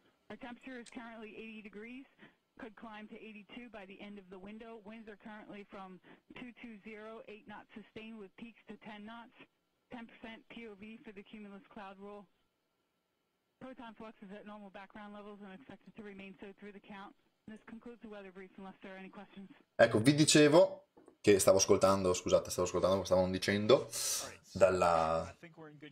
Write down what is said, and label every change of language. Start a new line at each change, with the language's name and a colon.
English: Our temperature is currently 80 degrees, could climb to 82 by the end of the window. Winds are currently from 220, 8 knots sustained with peaks to 10 knots, 10% POV for the cumulus cloud roll. Proton flux is at normal background levels and expected to remain so through the count. This concludes the weather brief unless there are any questions.
Italian: Ecco, vi dicevo che stavo ascoltando, scusate, stavo ascoltando cosa stavano dicendo
English: All right, so I think we're in good